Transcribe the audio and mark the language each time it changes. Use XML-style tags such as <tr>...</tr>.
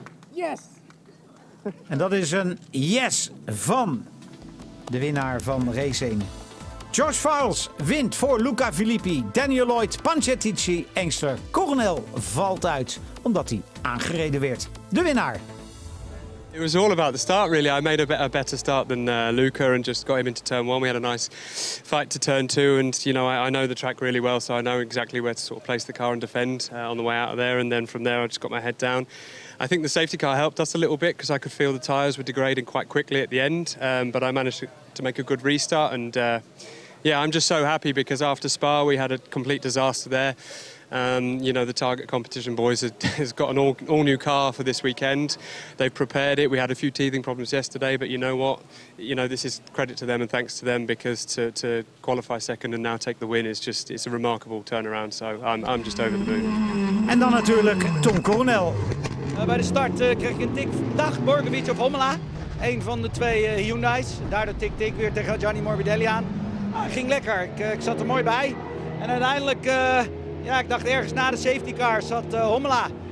<en>Yes!</en> <nl>En dat is een yes van de winnaar van race 1. Josh Files wint voor Luca Filippi, Daniel Lloyd, Panciatici, Engster. Coronel valt uit omdat hij aangereden werd. De winnaar.</nl> <en>It was all about the start, really. I made a better start than Luca and just got him into turn one. We had a nice fight to turn two, and you know I know the track really well, so I know exactly where to sort of place the car and defend on the way out of there. And then from there, I just got my head down. I think the safety car helped us a little bit because I could feel the tyres were degrading quite quickly at the end. But I managed to make a good restart, and yeah, I'm just so happy because after Spa, we had a complete disaster there. You know, the target competition boys has got an all new car for this weekend. They've prepared it. We had a few teething problems yesterday, but you know what? You know, this is credit to them and thanks to them, because to qualify second and now take the win is just, it's a remarkable turnaround. So I'm just over the moon.</en> <nl>En dan natuurlijk Tom Coronel. Bij de start kreeg ik een tik. Dag, Borkovic of Hommela. Een van de twee Hyundai's. Daardoor tik weer tegen Gianni Morbidelli aan. Ging lekker. Ik zat er mooi bij. En uiteindelijk... Ja, ik dacht ergens na de safety car zat Hommela.</nl>